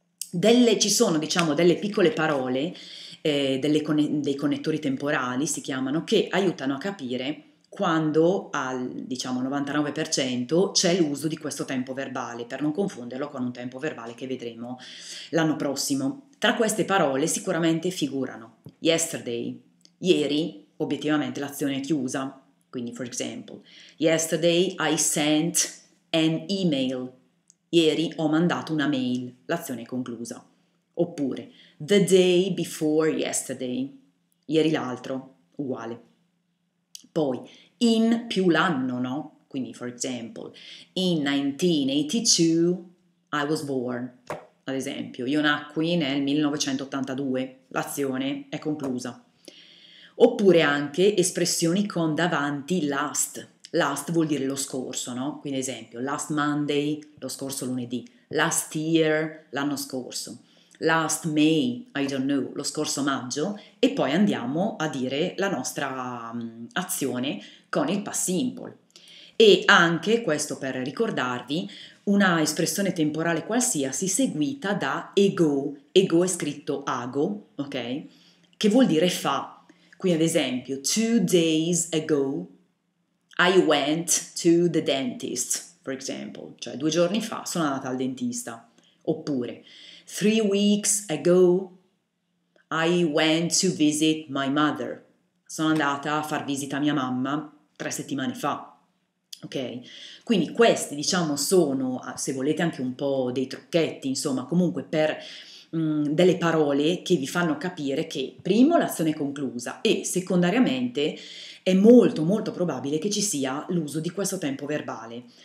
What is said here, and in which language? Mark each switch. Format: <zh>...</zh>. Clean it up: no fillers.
<it>Ci sono, diciamo, delle piccole parole, dei connettori temporali, si chiamano, che aiutano a capire quando al, diciamo, 99% c'è l'uso di questo tempo verbale, per non confonderlo con un tempo verbale che vedremo l'anno prossimo. Tra queste parole sicuramente figurano yesterday, ieri, obiettivamente l'azione è chiusa, quindi</it> <en>for example, yesterday I sent an email.</en> <it>Ieri ho mandato una mail, l'azione è conclusa.</it> <en>Oppure the day before yesterday.</en> <it>Ieri l'altro, uguale. Poi in più l'anno, no?</it> <en>Quindi for example, in 1982 I was born.</en> <it>Ad esempio, io nacqui nel 1982, l'azione è conclusa. Oppure anche espressioni con davanti last. Last vuol dire lo scorso, no? Quindi esempio, last Monday, lo scorso lunedì, last year, l'anno scorso, last May,</it> <en>I don't know,</en> <it>lo scorso maggio, e poi andiamo a dire la nostra azione con il past simple. E anche, questo per ricordarvi, una espressione temporale qualsiasi seguita da ego, ego è scritto ago, ok? Che vuol dire fa. Qui ad esempio,</it> <en>2 days ago I went to the dentist, for example.</en> <it>Cioè, 2 giorni fa sono andata al dentista.</it> <en>Oppure, 3 weeks ago I went to visit my mother.</en> <it>Sono andata a far visita a mia mamma 3 settimane fa. Ok? Quindi questi, diciamo, sono, se volete, anche un po' dei trucchetti, insomma, comunque per delle parole che vi fanno capire che, primo, l'azione è conclusa e, secondariamente, è molto molto probabile che ci sia l'uso di questo tempo verbale.</it>